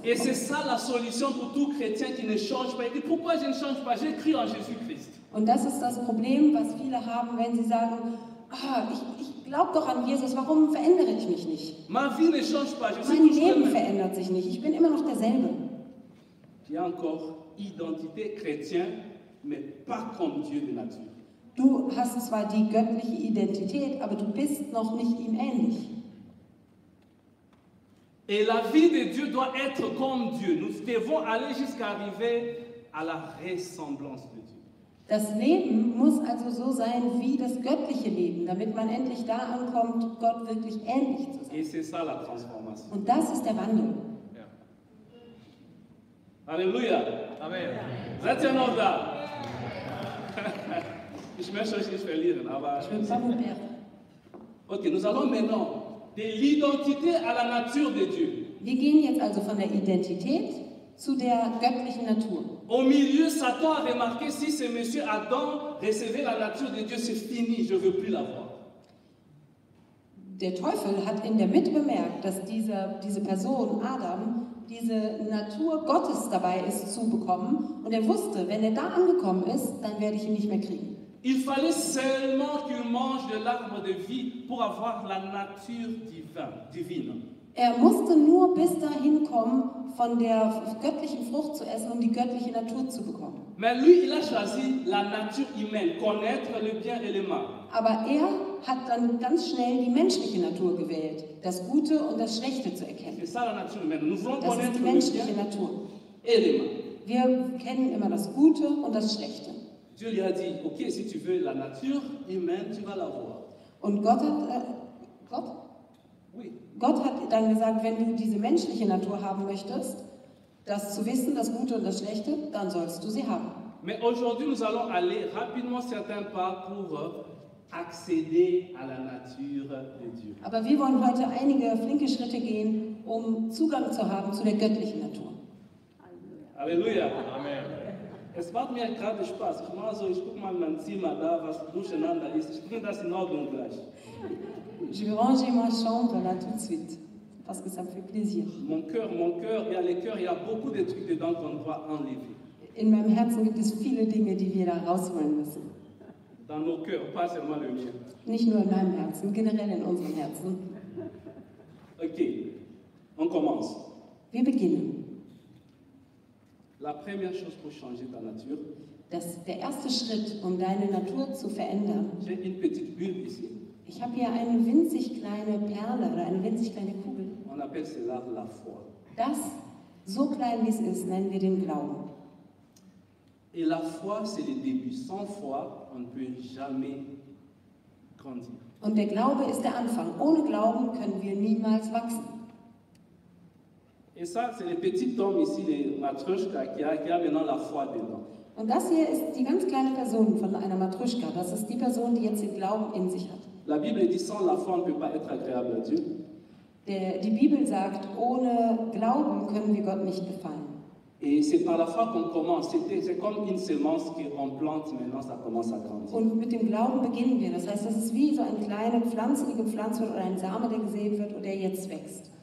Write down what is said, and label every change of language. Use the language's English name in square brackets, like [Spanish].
[French] bekommen. Et c'est ça la solution pour tout chrétien qui ne change pas. Et pourquoi je ne change pas? J'écris en Jésus-Christ. [German] Und das ist das Problem, was viele haben, wenn sie sagen, ich glaube doch an Jesus, warum verändere ich mich nicht? [French] Ma vie ne change pas. [German] Mein Leben verändert sich nicht, ich bin immer noch derselbe. [French] Ja, encore. Identité chrétien, mais pas comme Dieu de nature. [German] Du hast zwar die göttliche Identität, aber du bist noch nicht ihm ähnlich. [French] Et la vie de Dieu doit être comme Dieu. Nous devons aller jusqu'à arriver à la ressemblance de Dieu. [German] Das Leben muss also so sein wie das göttliche Leben, damit man endlich da ankommt, Gott wirklich ähnlich zu sein. [French] Et c'est ça la transformation. [German] Und das ist der Wandel. Halleluja. Amen. Seid ihr noch da? Ich möchte euch nicht verlieren, aber... Ich bin Samuel. [French] Okay, nous allons maintenant de l'identité à la nature de Dieu. [German] Wir gehen jetzt also von der Identität zu der göttlichen Natur. [French] Au milieu, Satan a remarqué, si ce monsieur Adam recevait la nature de Dieu, c'est fini, je ne veux plus l'avoir. [German] Der Teufel hat in der Mitte bemerkt, dass diese Person, Adam, diese Natur Gottes dabei ist zu bekommen. Und er wusste, wenn er da angekommen ist, dann werde ich ihn nicht mehr kriegen. [French] Il fallait seulement qu'il mange de l'arbre de vie pour avoir la nature divine. [German] Er musste nur bis dahin kommen, von der göttlichen Frucht zu essen, um die göttliche Natur zu bekommen. [French] Mais lui, il a choisi la nature humaine, connaître le bien et le mal. [German] Aber er hat dann ganz schnell die menschliche Natur gewählt, das Gute und das Schlechte zu erkennen. [French] C'est ça, la nature humaine. Nous voulons [German] connaître ist die menschliche Natur. [French] Et le mal. [German] Wir kennen immer das Gute und das Schlechte. [French] Dieu lui a dit, ok, si tu veux la nature humaine, tu vas l'avoir. [German] Und Gott hat, Gott? [French] Oui. [German] Gott hat dann gesagt, wenn du diese menschliche Natur haben möchtest, das zu wissen, das Gute und das Schlechte, dann sollst du sie haben. [French] Mais aujourd'hui nous allons aller rapidement certains pas pour accéder à la nature de Dieu. [German] Aber wir wollen heute einige flinke Schritte gehen, um Zugang zu haben zu der göttlichen Natur. [French] Alléluia. Amen. [German] Es macht mir gerade Spaß. Ich mache so, ich gucke mal mein Zimmer da, was durcheinander ist. Ich bringe das in Ordnung gleich. [French] Je vais ranger ma chambre là tout de suite, parce que ça me fait plaisir. Mon cœur, il y a les cœurs, il y a beaucoup de trucs dedans qu'on doit enlever. [German] In meinem Herzen gibt es viele Dinge, die wir da rausholen müssen. [French] Dans nos cœurs, pas seulement le mien. [German] Nicht nur in meinem Herzen, generell in unserem Herzen. [French] Ok, on commence. [German] Wir beginnen. [French] La première chose pour changer ta nature. [German] Das der erste Schritt, um deine Natur zu verändern. [French] J'ai une petite bulle ici. [German] Ich habe hier eine winzig kleine Perle oder eine winzig kleine Kugel. [French] On appelle cela la foi. [German] Das, so klein wie es ist, nennen wir den Glauben. [French] Et la foi, c'est le début. Sans foi, on ne peut jamais grandir. [German] Und der Glaube ist der Anfang. Ohne Glauben können wir niemals wachsen. [French] Et ça, c'est le petit homme ici, le Matryoshka, qui a maintenant la foi dedans. [German] Und das hier ist die ganz kleine Person von einer Matryoshka. Das ist die Person, die jetzt den Glauben in sich hat. [French] La Bible dit sans la foi, on ne peut pas être agréable à Dieu. [German] Die Bibel sagt, ohne Glauben können wir Gott nicht gefallen. [French] Et c'est par la foi qu'on commence. C'est comme une semence qu'on plante, maintenant ça commence à grandir. [German] Und mit dem Glauben beginnen wir. Das heißt, das ist wie so eine kleine Pflanze, die gepflanzt wird, oder ein Same, der gesät wird und der jetzt wächst.